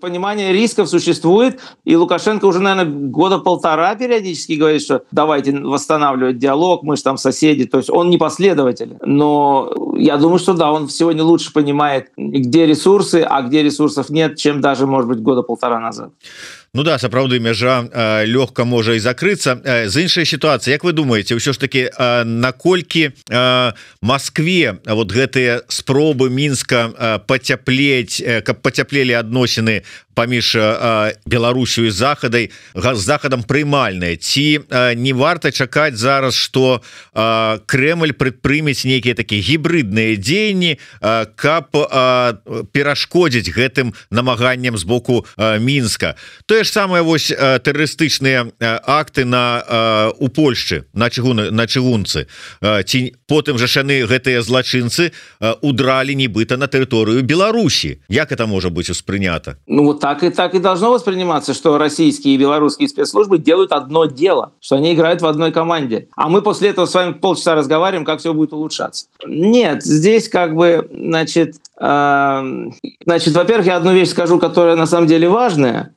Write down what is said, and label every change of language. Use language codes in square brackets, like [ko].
[ru] Понимание рисков существует, и Лукашенко уже, наверное, года полтора периодически говорит, что давайте восстанавливать диалог, мы же там соседи. То есть он не последователь. Но я думаю, что да, он сегодня лучше понимает, где ресурсы, а где ресурсов нет, чем даже, может быть, года полтора назад. [be] Ну да, сапраўды мяжа лёгка можа і закрыцца. З іншай сітуацыі, як вы думаеце, ўсё ж такі, наколькі Маскве вот гэтыя спробы Мінска пацяплець, каб пацяплелі адносіны паміж Беларусю і Захадай, з Захадам прымальныя, ці не варта чакаць зараз, што Крэмль прыпрыміць нейкія такі гібрыдныя дзеянні, каб перашкодзіць гэтым намаганням з боку Мінска. Тое ж самае вось тэрарыстычныя акты на у Польшчы, на чыгунцы. Ці потым жа яны гэтыя злачынцы удралі нібыта на тэрыторыю Беларусі. Як [ru] это [be] можа быць успрынята? [ru] Ну вот так. Так и должно восприниматься, что российские и белорусские спецслужбы делают одно дело, что они играют в одной команде. А мы после этого с вами полчаса разговариваем, как все будет улучшаться. Нет, здесь как бы, значит, во-первых, я одну вещь скажу, которая на самом деле важная.